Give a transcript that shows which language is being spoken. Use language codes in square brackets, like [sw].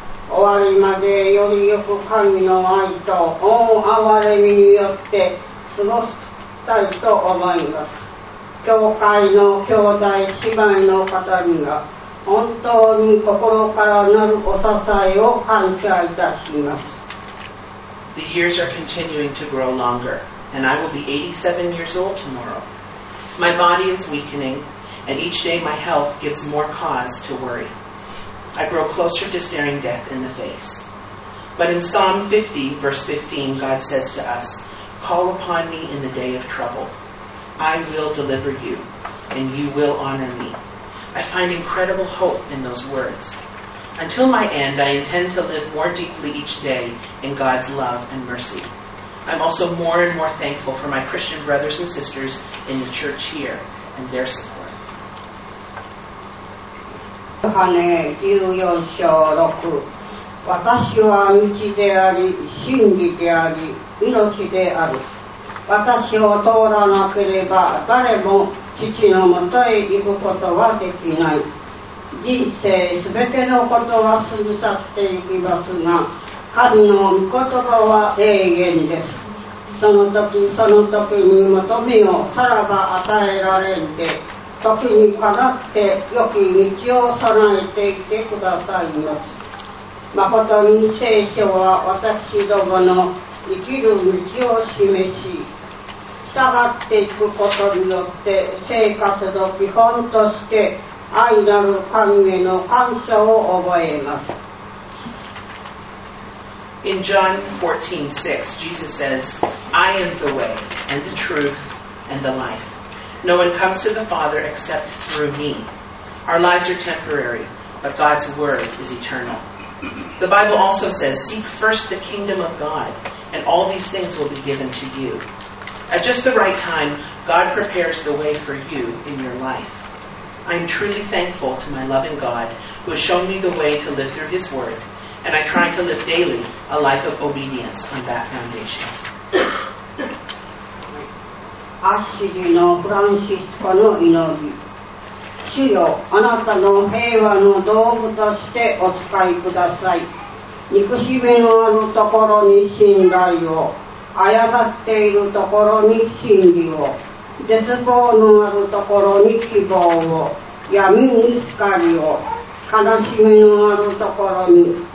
[ja] 終わりまでよりよく神の愛と大憐れみによって過ごしたいと思います。教会の兄弟姉妹の方には本当に心からなるお支えを感謝いたします。 [en] The years are continuing to grow longer, and I will be 87 years old tomorrow. My body is weakening, and each day my health gives more cause to worry. I grow closer to staring death in the face. But in Psalm 50, verse 15, God says to us, Call upon me in the day of trouble. I will deliver you, and you will honor me. I find incredible hope in those words. Until my end, I intend to live more deeply each day in God's love and mercy. I'm also more and more thankful for my Christian brothers and sisters in the church here and their support. [ja] ヨハネ14章6私は道であり真理であり命である私を通らなければ誰も父のもとへ行くことはできない人生すべてのことは過ぎ去っていきますが神の御言葉は永遠ですその時その時に求めをさらば与えられんで時にかなって良き道を備えていてくださいます。まことに聖書は私どもの生きる道を示し、従っていくことによって生活の基本として愛なる神への感謝を覚えます。 [en] In John 14:6, Jesus says, I am the way and the truth and the life. No one comes to the Father except through me. Our lives are temporary, but God's word is eternal. The Bible also says, Seek first the kingdom of God, and all these things will be given to you. At just the right time, God prepares the way for you in your life. I am truly thankful to my loving God, who has shown me the way to live through his word, and I try to live daily a life of obedience on that foundation. [ja] アッシリのフランシスコの祈り主よあなたの平和の道具としてお使いください憎しみのあるところに信頼を誤っているところに真理を絶望のあるところに希望を闇に光を悲しみのあるところに